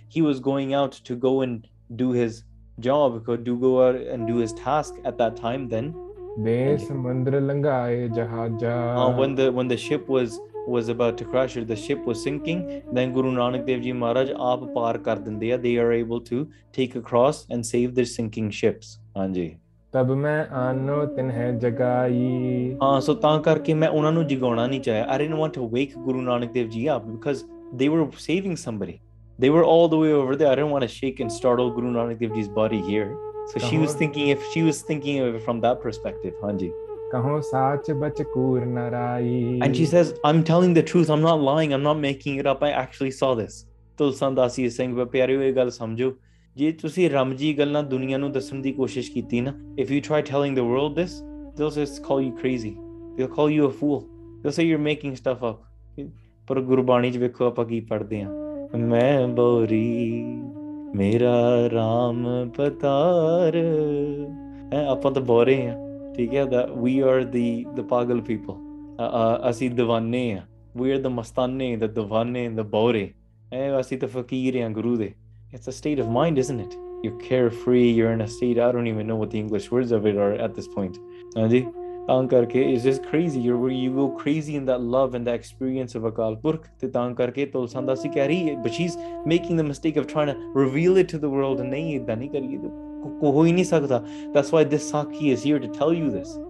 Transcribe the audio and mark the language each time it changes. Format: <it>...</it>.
<en>He was going out to go and do his job, do his task at that time then.</en> <pa>Besh Mandra Langaye Jahaja.</pa> <en>When the ship was was about to crash or the ship was sinking, then Guru Nanak Dev Ji Maharaj</en> <pa>aap paar kar dinde ya,</pa> <en>they are able to take across and save their sinking ships.</en> <pa>Haanji. ਤਬ ਮੈਂ ਆਨੋ ਤਿਨਹਿ ਜਗਾਈ ਹਾਂ ਸੋ ਤਾਂ ਕਰਕੇ ਮੈਂ ਉਹਨਾਂ ਨੂੰ ਜਗਾਉਣਾ ਨਹੀਂ ਚਾਹਿਆ</pa> <en>I didn't want to wake Guru Nanak Dev ji up because they were saving somebody they were all the way over there I didn't want to shake and startle Guru Nanak Dev ji's body here so she was thinking if she was thinking from that perspective ਹਾਂਜੀ</en> <pa>ਕਹੋ ਸੱਚ ਬਚ ਕੂਰ ਨਰਾਈ</pa> <en>and she says I am telling the truth I am not lying I am not making it up I actually saw this ਤੁਲਸਾ ਦਾਸੀ ਸਿੰਘ</en> <pa>ਪਿਆਰਿਓ ਇਹ ਗੱਲ ਸਮਝੋ ਜੇ ਤੁਸੀਂ ਰਮ ਜੀ ਗੱਲਾਂ ਦੁਨੀਆ ਨੂੰ ਦੱਸਣ ਦੀ ਕੋਸ਼ਿਸ਼ ਕੀਤੀ ਨਾ</pa> <en>if you try telling the world this they will just call you crazy they will call you a fool they say you are making stuff up</en> <pa>ਪਰ ਗੁਰਬਾਣੀ ਚ ਵੇਖੋ ਆਪਾਂ ਕੀ ਪੜ੍ਹਦੇ ਹਾਂ ਮੈਂ ਬੋਰੀ ਮੇਰਾ ਰਾਮ ਪਤਾਰ ਹੈ ਆਪਾਂ ਤਾਂ ਬੋਰੇ ਹਾਂ ਠੀਕ ਹੈ ਦਾ ਵੀ ਆਰ ਦੀ ਦ ਪਾਗਲ ਪੀਪਲ ਅਸੀਂ ਦੀਵਾਨੇ ਹਾਂ ਵੀ ਆਰ ਦ ਮਸਤਾਨੇ ਦ ਦੀਵਾਨੇ ਦ ਬੋਰੇ ਹੈ ਅਸੀਂ ਤਾਂ ਫਕੀਰ ਹਾਂ ਗੁਰੂ ਦੇ</pa> <en>It's a state of mind, isn't it? You're carefree, you're in a state, I don't even know what the English words of it are at this point. It's just crazy. You go crazy in that love and that experience of Akal Purkh. But she's making the mistake of trying to reveal it to the world. That's why this Sakhi is here to tell you this.</en>